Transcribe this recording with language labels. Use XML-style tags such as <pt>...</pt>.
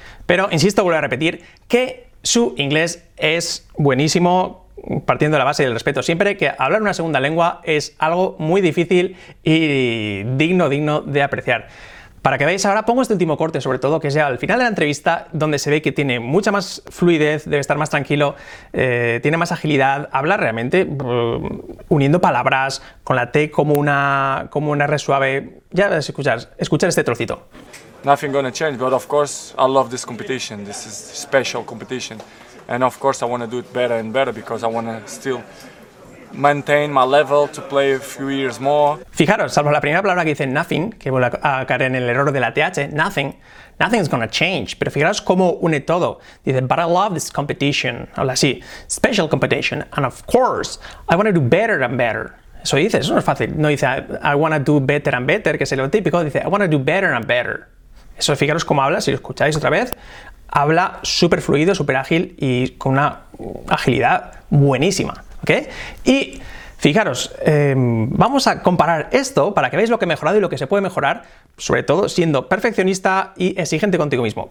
<es>Pero insisto, vuelvo a repetir que su inglés es buenísimo, partiendo de la base y del respeto siempre, que hablar una segunda lengua es algo muy difícil y digno de apreciar. Para que veáis, ahora pongo este último corte, sobre todo, que sea al final de la entrevista, donde se ve que tiene mucha más fluidez, debe estar más tranquilo, tiene más agilidad, habla realmente uniendo palabras, con la T como una R suave. Ya vas a escuchar este trocito.</es> <en>Nothing gonna change, but of course I love this competition. This is special competition. And of course I want to do it better and better because I want to still maintain my level to play a few years more.</en> <es>Fijaros, salvo la primera palabra que dice nothing, que vuelve a caer en el error de la TH, nothing,</es> <en>nothing is gonna change.</en> <es>Pero fijaros cómo une todo. Dice,</es> <en>but I love this competition.</en> <es>Habla así,</es> <en>special competition. And of course, I want to do better and better.</en> <es>Eso dice, eso no es fácil. No dice,</es> <en>I want to do better and better,</en> <es>que es lo típico. Dice, I want to do better and better. Eso, fijaros cómo habla, si lo escucháis otra vez, habla súper fluido, súper ágil y con una agilidad buenísima. ¿Ok? Y fijaros, vamos a comparar esto para que veáis lo que ha mejorado y lo que se puede mejorar, sobre todo siendo perfeccionista y exigente contigo mismo.</es>